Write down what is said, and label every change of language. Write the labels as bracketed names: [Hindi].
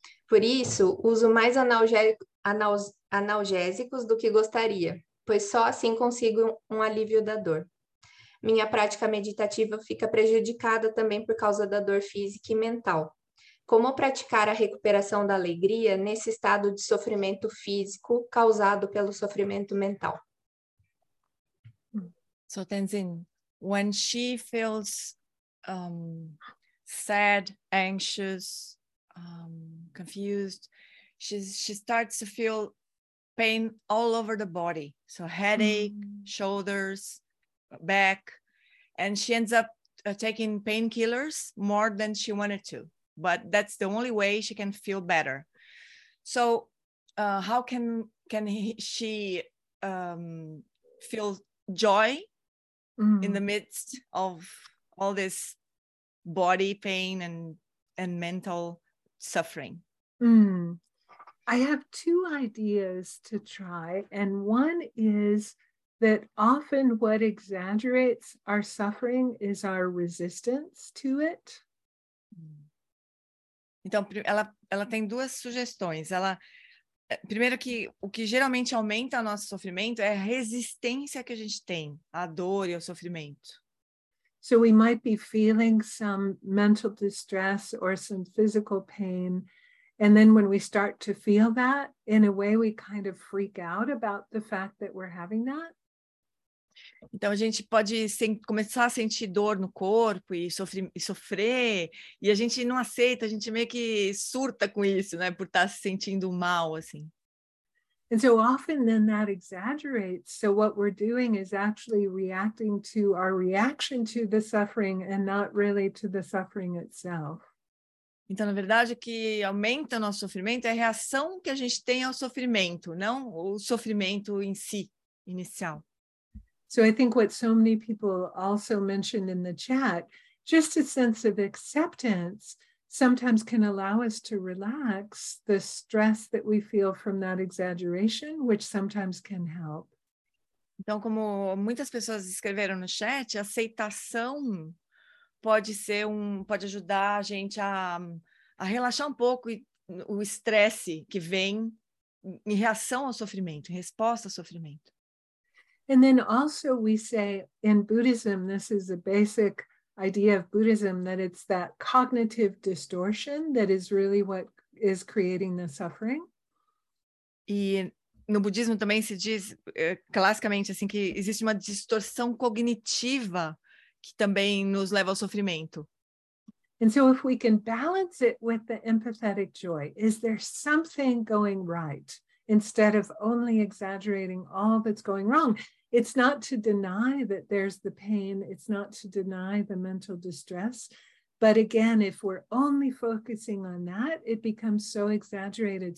[Portuguese] Por isso, uso mais analgésicos do que gostaria, pois só assim consigo um alívio da dor. Minha prática meditativa fica prejudicada também por causa da dor física e mental. Como praticar a recuperação da alegria nesse estado de sofrimento físico causado pelo sofrimento mental? [English] So Tenzin, when she feels sad, anxious, confused, she starts to feel pain all over the body. So headache, shoulders, back. And she ends up taking painkillers more than she wanted to. But that's the only way she can feel better. So how can she feel joy? In the midst of all this body pain and mental suffering. I have two ideas to try. And one is that often what exaggerates our suffering is our resistance to it. [Portuguese] Então, ela tem duas sugestões. Ela, primeiro, que o que geralmente aumenta o nosso sofrimento é a resistência que a gente tem à dor e ao sofrimento. [English] So we might be feeling some mental distress or some physical pain, and then when we start to feel that, in a way we kind of freak out about the fact that we're having that. [Portuguese] Então a gente pode começar a sentir dor no corpo e sofrer, e a gente não aceita, a gente meio que surta com isso, né, por estar se sentindo mal assim. [English] And so often then that exaggerates. So what we're doing is actually reacting to our reaction to the suffering and not really to the suffering itself. [Portuguese] Então, na verdade, o que aumenta o nosso sofrimento é a reação que a gente tem ao sofrimento, não o sofrimento em si inicial. [English] So I think what so many people also mentioned in the chat, just a sense of acceptance sometimes can allow us to relax the stress that we feel from that exaggeration, which sometimes can help. [Portuguese] Então, como muitas pessoas escreveram no chat, aceitação pode ajudar a gente a relaxar um pouco o estresse que vem em reação ao sofrimento, em resposta ao sofrimento. [English] And then also we say in Buddhism, this is a basic idea of Buddhism, that it's that cognitive distortion that is really what is creating the suffering. [Portuguese] E no budismo também se diz classicamente assim que existe uma distorção cognitiva que também nos leva ao sofrimento. [English] And so if we can balance it with the empathetic joy, is there something going right? Instead of only exaggerating all that's going wrong. It's not to deny that there's the pain, it's not to deny the mental distress, but again, if we're only focusing on that, it becomes so exaggerated.